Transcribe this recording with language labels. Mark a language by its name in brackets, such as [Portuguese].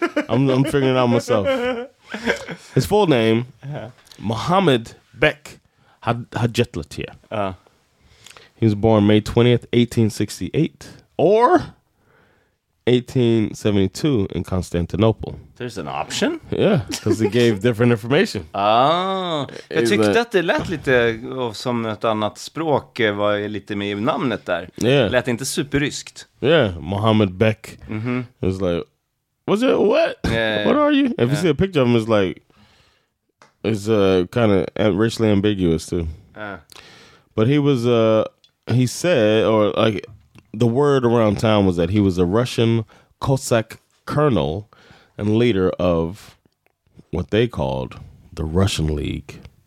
[English] I'm figuring it out myself. His full name, Mohammed Bek Hajit Lachir. He was born May 20th, 1868, or 1872 in Constantinople. There's an option? Yeah, because he gave different information. [Swedish] Ah, jag tyckte att det lät lite som ett annat språk, var lite med namnet där. [English] Yeah. [Swedish] Lät inte superryskt. [English] Yeah, Mohammed Bek. It was like, what's that, what? What are you? If you see a picture of him, it's like, it's kind of racially ambiguous too. But he was, he said, or like, the word around town was that he was a Russian Cossack colonel and leader of what they called the Russian League.